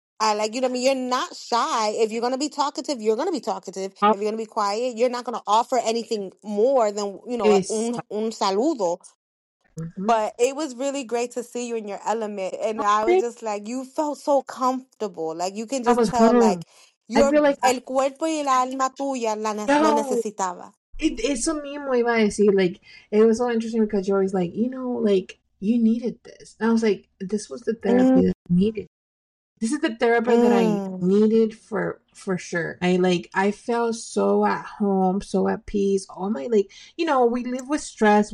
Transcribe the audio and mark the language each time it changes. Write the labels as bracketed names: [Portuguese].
[English] I like, you know what I mean? You're not shy. If you're going to be talkative, you're going to be talkative. If you're going to be quiet, you're not going to offer anything more than, you know, [Spanish] un saludo. [English] Mm-hmm. But it was really great to see you in your element. And I was just like, you felt so comfortable. Like, you can just tell, home. Like, you're, I feel like [Spanish] el cuerpo y el alma tuya la no necesitaba. Eso mismo iba a decir. [English] Like, it was so interesting because you're always like, you know, like, you needed this. And I was like, this was the therapy that I needed. This is the therapy that I needed for sure. I felt so at home, so at peace. All my, like, you know, we live with stress.